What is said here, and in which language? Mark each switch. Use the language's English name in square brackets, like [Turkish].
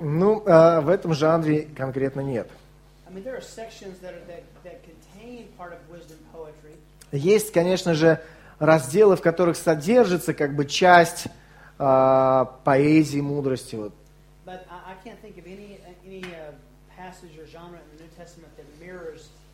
[Russian] Ну, в этом жанре конкретно нет. [English] I mean, there are sections that contain part of wisdom poetry. [Russian] Есть, конечно же, разделы, в которых содержится как бы часть поэзии мудрости. Вот. [English] But I can't think of any passage or genre in the New Testament that mirrors.